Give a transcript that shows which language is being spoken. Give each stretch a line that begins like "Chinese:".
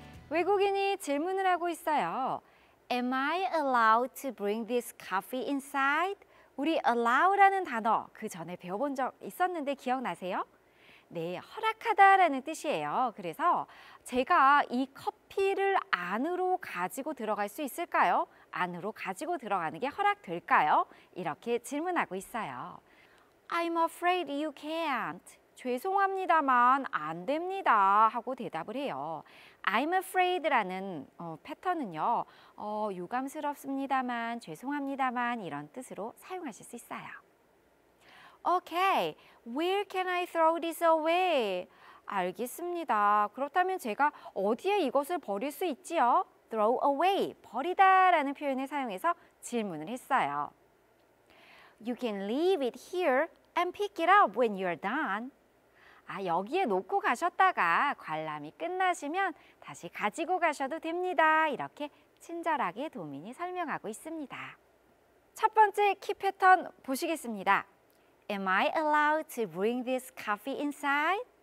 Korean: 외국인이 질문을 하고 있어요.
English: Am I allowed to bring this coffee inside?
Korean: 우리 allow라는 단어 그 전에 배워본 적 있었는데 기억나세요? 네, 허락하다라는 뜻이에요. 그래서 제가 이 커피를 안으로 가지고 들어갈 수 있을까요? 안으로 가지고 들어가는 게 허락될까요? 이렇게 질문하고 있어요.
English: I'm afraid you can't.
Korean: 죄송합니다만 안 됩니다 하고 대답을 해요.
English: I'm afraid
Korean: 라는 패턴은요. 유감스럽습니다만 죄송합니다만 이런 뜻으로 사용하실 수 있어요.
English: Okay, where can I throw this away?
Korean: 알겠습니다. 그렇다면 제가 어디에 이것을 버릴 수 있지요? Throw away, 버리다 라는 표현을 사용해서 질문을 했어요.
English: You can leave it here and pick it up when you're done.
Korean: 아, 여기에 놓고 가셨다가 관람이 끝나시면 다시 가지고 가셔도 됩니다. 이렇게 친절하게 도민이 설명하고 있습니다. 첫 번째 키 패턴 보시겠습니다.
English: Am I allowed to bring this coffee inside?